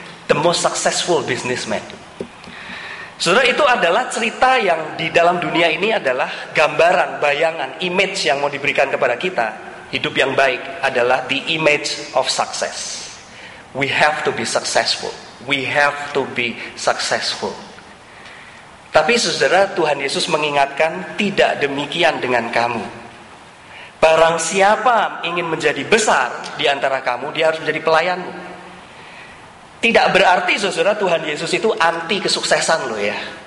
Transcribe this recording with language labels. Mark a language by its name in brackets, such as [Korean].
[English] The most successful businessman. [Indonesian] Saudara, itu adalah cerita yang di dalam dunia ini adalah gambaran, bayangan, image yang mau diberikan kepada kita. Hidup yang baik adalah [English] the image of success. We have to be successful. We have to be successful. [Indonesian] Tapi saudara, Tuhan Yesus mengingatkan tidak demikian dengan kamu. Barang siapa ingin menjadi besar di antara kamu, dia harus menjadi pelayanmu. Tidak berarti saudara Tuhan Yesus itu anti kesuksesan loh ya.